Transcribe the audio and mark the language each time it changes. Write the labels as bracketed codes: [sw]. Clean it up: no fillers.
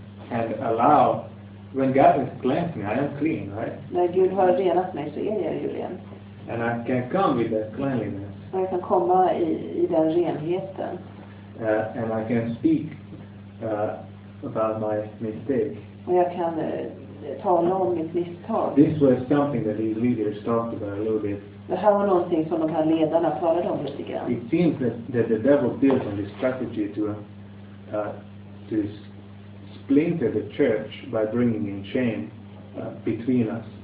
[en] And allow, when God has cleansed me, I am clean, right? [sv] När Gud har renat mig så är jag ju ren. [en] And I can come with that cleanliness. [sv] Jag kan komma i den renheten. [en] And I can speak about my mistake. [sv] Och jag kan tala om mitt misstag. [en] This was something that these leaders talked about a little bit. [sv] Det här var någonting som de här ledarna talade om lite grann. [en] It seems that the devil built on this strategy to splinter the church by bringing in shame between us.